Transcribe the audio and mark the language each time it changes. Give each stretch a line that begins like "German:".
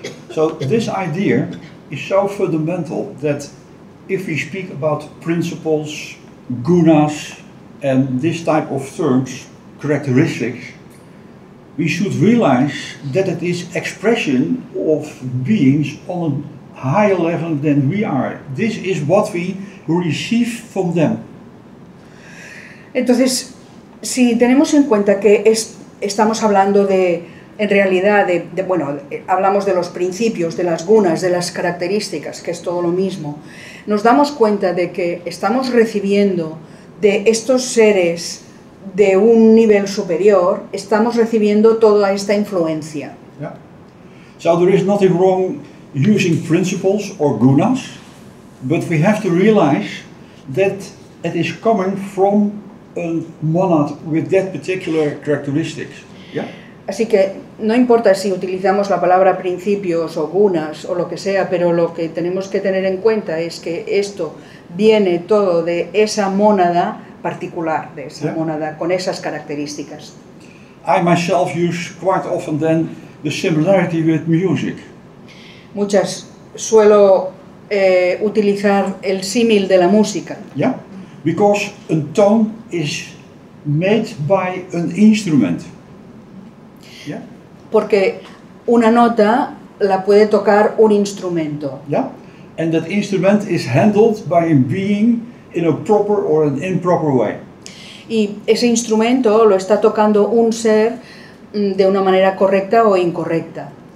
English: So this idea is so fundamental that if we speak about principles, gunas, and this type of terms, characteristics, we should realize that it is expression of beings on a higher level than we are. This is what we receive from them.
Spanish: Entonces, si tenemos en cuenta que estamos hablando de, en realidad, bueno, hablamos de los principios, de las gunas, de las características, que es todo lo mismo, nos damos cuenta de que estamos recibiendo de estos seres de un nivel superior, estamos recibiendo toda esta influencia.
English: Yeah. So there is nothing wrong using principles or gunas, but we have to realize that it is coming from a monad with that particular characteristics. Yeah?
Spanish: Así que no importa si utilizamos la palabra principios o gunas o lo que sea, pero lo que tenemos que tener en cuenta es que esto viene todo de esa mónada particular, de esa mónada con esas características.
English: I myself use quite often then the similarity with music.
Spanish: Muchas suelo utilizar el símil de la música.
English: Yeah, because a tone is made by an instrument. Yeah.
Spanish: Porque una nota la puede tocar un instrumento.
English: Yeah. And that instrument is handled by a being in a proper or an improper way.
Spanish: Y ese instrumento lo está tocando un ser de una manera correcta o incorrecta.